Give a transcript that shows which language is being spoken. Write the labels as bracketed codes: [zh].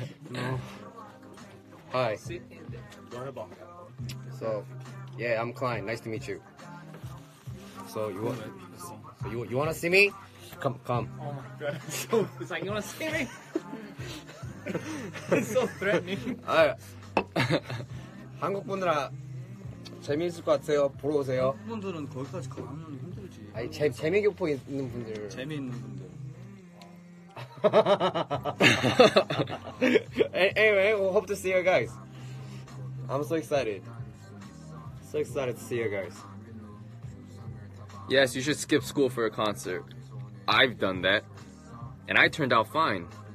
[en] No. Hi. Go ahead, Bob. So, yeah, I'm Klein. Nice to meet you. So you want? You want to see me? Come. Oh my god. It's like, you wanna see me? It's so threatening. [ko] 한국 분들아, 재미있을 것 같아요. 보러 오세요. 한국 분들은 거기까지 가면 힘들지. 아니, 재미 교포 있는 분들. 재미있는 분들. [en] Anyway, we hope to see you guys. I'm so excited. So excited to see you guys. Yes, you should skip school for a concert. I've done that, and I turned out fine.